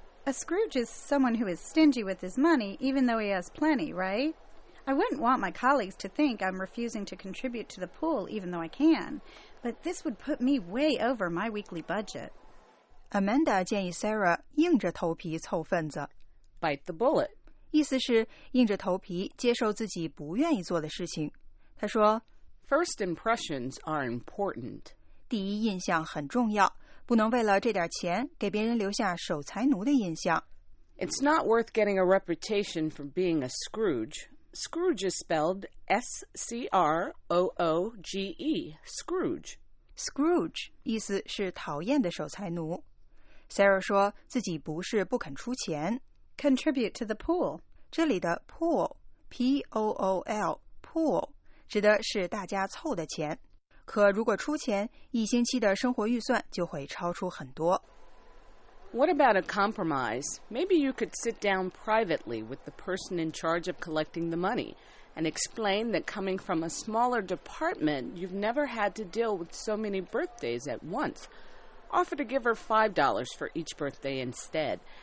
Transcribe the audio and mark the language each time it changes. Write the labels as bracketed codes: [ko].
[en] A Scrooge is someone who is stingy with his money, even though he has plenty, right? I wouldn't want my colleagues to think I'm refusing to contribute to the pool, even though I can. But this would put me way over my weekly budget. [zh] Amanda 建议 Sarah 硬着头皮凑份子。 [en] Bite the bullet. [zh] 意思是硬着头皮接受自己不愿意做的事情。她说 [en] First impressions are important. [zh] 第一印象很重要，不能为了这点钱给别人留下守财奴的印象。 [en] It's not worth getting a reputation for being a Scrooge. Scrooge is spelled S-C-R-O-O-G-E, Scrooge. [zh] Scrooge 意思是讨厌的守财奴。Sarah 说自己不是不肯出钱。 [en] Contribute to the pool. [zh] 这里的 pool, P-O-O-L, pool, 指的是大家凑的钱。可如果出钱，一星期的生活预算就会超出很多。 [en] What about a compromise? Maybe you could sit down privately with the person in charge of collecting the money and explain that coming from a smaller department, you've never had to deal with so many birthdays at once. Offer to give her $5 for each birthday instead,